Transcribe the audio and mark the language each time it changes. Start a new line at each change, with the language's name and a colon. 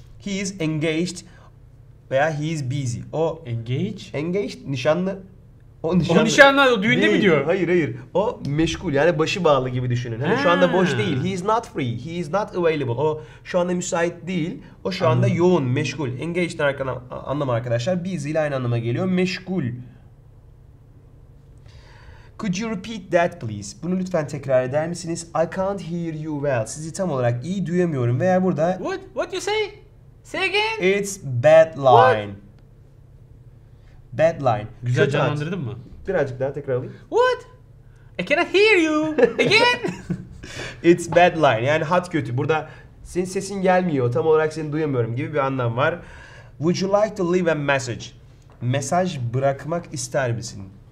English: He is engaged veya he is busy.
Turkish: O
English: engaged?
Turkish: Engaged nişanlı. O nişanlı o düğünde değil mi diyor? Hayır. O meşgul yani başı bağlı gibi düşünün. Hani şu anda boş değil.
English: He is not free. He is not available.
Turkish: O şu anda müsait değil. O şu anda yoğun, meşgul. Engaged anlamı arkadaşlar. Busy ile aynı anlama geliyor. Meşgul.
English: Could you repeat that please?
Turkish: Bunu lütfen tekrar eder misiniz?
English: I can't hear you well.
Turkish: Sizi tam olarak iyi duyamıyorum. Veya burada...
English: What you say? Say again? It's bad line. What? Bad line.
Turkish: Güzel canlandırdın mı? Birazcık daha tekrar alayım.
English: What? I cannot hear you again. It's bad line.
Turkish: Yani hat kötü. Burada senin sesin gelmiyor. Tam olarak seni duyamıyorum gibi bir anlam var.
English: Would you like to leave a message?
Turkish: Mesaj bırakmak ister misin?